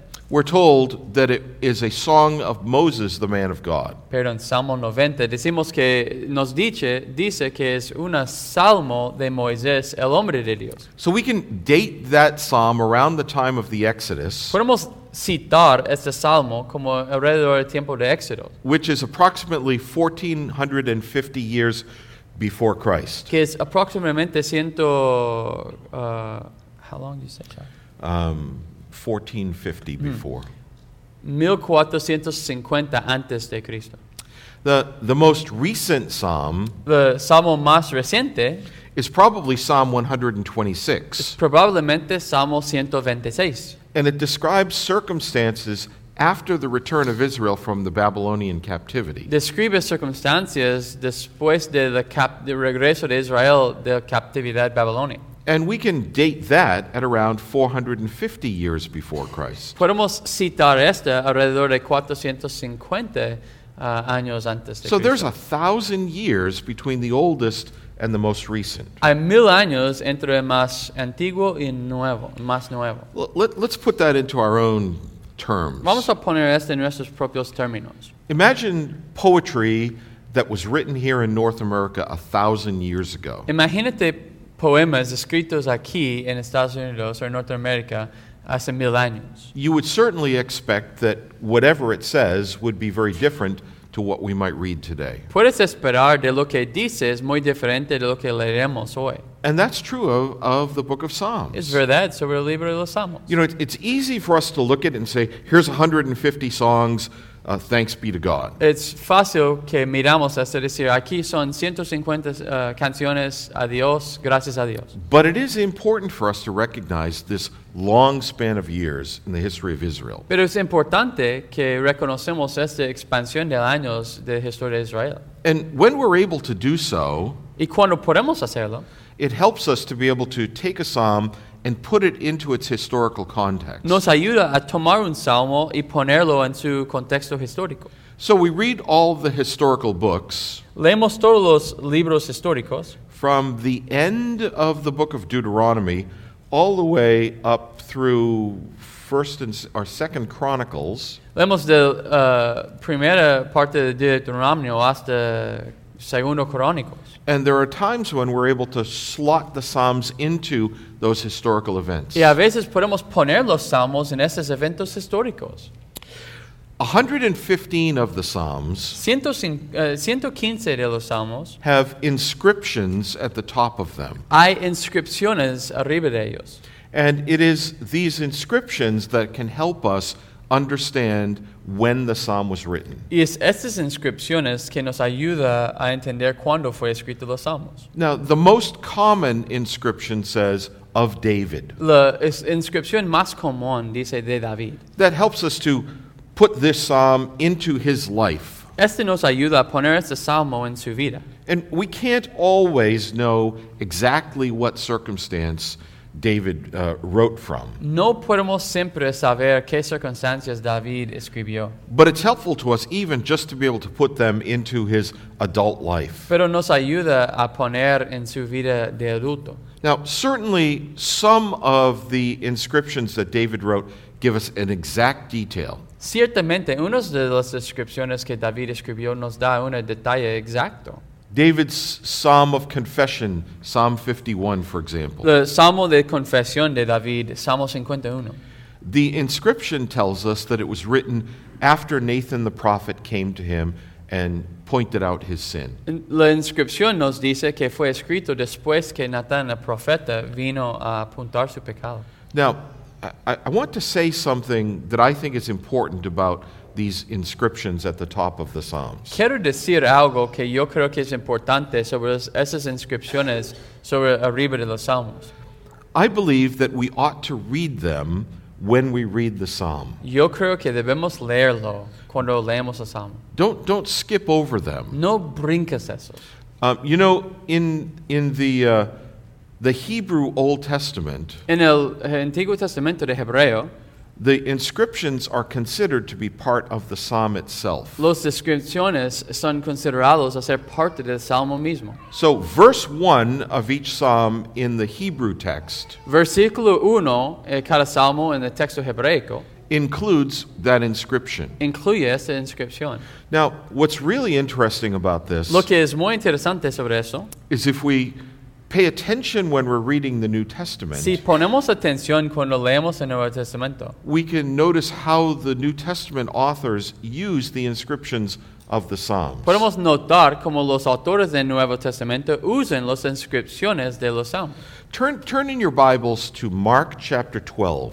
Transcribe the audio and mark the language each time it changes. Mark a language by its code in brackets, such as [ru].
[en] We're told that it is a song of Moses, the man of God. [es] Pero en Salmo 90 decimos que nos dice que es una salmo de Moisés, el hombre de Dios. [en] So we can date that psalm around the time of the Exodus. [es] Podemos citar este salmo como alrededor del tiempo de Éxodo. [en] Which is approximately 1450 years before Christ. [es] Que es aproximadamente ciento. [en] How long do you say, Chuck? 1450 before. [es] 1450 antes de Cristo. [en] The most recent psalm, [es] the salmo más reciente, [en] is probably Psalm 126. [es] Es probablemente Salmo 126. [en] And it describes circumstances after the return of Israel from the Babylonian captivity. [es] Describe circunstancias después de el regreso de Israel de la captividad babilónica. [en] And we can date that at around 450 years before Christ. [es] Podemos citar esta alrededor de 450 años antes de Cristo. [en] So there's 1,000 years between the oldest and the most recent. [es] Hay 1,000 años entre más antiguo y nuevo, más nuevo. [en] Let's put that into our own terms. [es] Vamos a poner esto en nuestros propios términos. [en] Imagine poetry that was written here in North America 1,000 years ago. [es] Imagínate poemas escritos aquí en Estados Unidos o en Norteamérica hace 1,000 años. [en] You would certainly expect that whatever it says would be very different to what we might read today. [es] Puedes esperar de lo que dice es muy diferente de lo que leeremos hoy. [en] And that's true of the book of Psalms. [es] Es verdad sobre el libro de los Salmos. [en] You know, it's easy for us to look at it and say, here's 150 songs, thanks be to God. [es] Es fácil que miramos esto y decir, aquí son 150 canciones a Dios, gracias a Dios. [en] But it is important for us to recognize this long span of years in the history of Israel. [es] Pero es importante que reconocemos esta expansión de años de historia de Israel. [en] And when we're able to do so, [es] y cuando podemos hacerlo, [en] it helps us to be able to take a psalm and put it into its historical context. [es] Nos ayuda a tomar un salmo y ponerlo en su contexto histórico. [en] So we read all the historical books. [es] Leemos todos los libros históricos. [en] From the end of the book of Deuteronomy all the way up through 1st and or 2nd Chronicles. [es] Leemos de primera parte de Deuteronomio hasta Segundo Crónicos. [en] And there are times when we're able to slot the Psalms into those historical events. [es] Y a veces podemos poner los Salmos en esos eventos históricos. [en] 115 of the Psalms [es] 115 de los Salmos [en] have inscriptions at the top of them. [es] Hay inscripciones arriba de ellos. [en] And it is these inscriptions that can help us understand when the psalm was written. [es] Y es estas inscripciones que nos ayuda a entender cuándo fue escrito los salmos. [en] Now, the most common inscription says, of David. [es] La inscripción más común dice de David. [en] That helps us to put this psalm into his life. [es] Este nos ayuda a poner este salmo en su vida. [en] And we can't always know exactly what circumstance David wrote from. [es] No podemos siempre saber qué circunstancias David escribió. [en] But it's helpful to us even just to be able to put them into his adult life. [es] Pero nos ayuda a poner en su vida de adulto. [en] Now, certainly some of the inscriptions that David wrote give us an exact detail. [es] Ciertamente, unas de las inscripciones que David escribió nos da un detalle exacto. [en] David's Psalm of Confession, Psalm 51, for example. [es] The Salmo de Confesión de David, Salmo 51. [en] The inscription tells us that it was written after Nathan the prophet came to him and pointed out his sin. [es] La inscripción nos dice que fue escrito después que Nathan el profeta vino a apuntar su pecado. [en] Now, I want to say something that I think is important about these inscriptions at the top of the Psalms. [es] Quiero decir algo que yo creo que es importante sobre esas inscripciones sobre arriba de los Salmos. [en] I believe that we ought to read them when we read the Psalm. [es] Yo creo que debemos leerlo cuando leemos el Salmo. [en] Don't skip over them. [es] No brincas eso. [en] You know, in the Hebrew Old Testament, [es] en el Antiguo Testamento de Hebreo, [en] the inscriptions are considered to be part of the psalm itself. [es] Los inscripciones son considerados a ser parte del salmo mismo. [en] So verse 1 of each psalm in the Hebrew text, [es] versículo 1 de cada salmo en el texto hebraico, [en] includes that inscription. [es] Incluye esa inscripción. [en] Now, what's really interesting about this, [es] lo que es muy interesante sobre eso, [en] is if we pay attention when we're reading the New Testament. [es] Si ponemos atención cuando leemos el Nuevo Testamento, [en] we can notice how the New Testament authors use the inscriptions of the Psalms. [es] Podemos notar cómo los autores del Nuevo Testamento usan las inscripciones de los Salmos. [en] Turn in your Bibles to Mark chapter 12.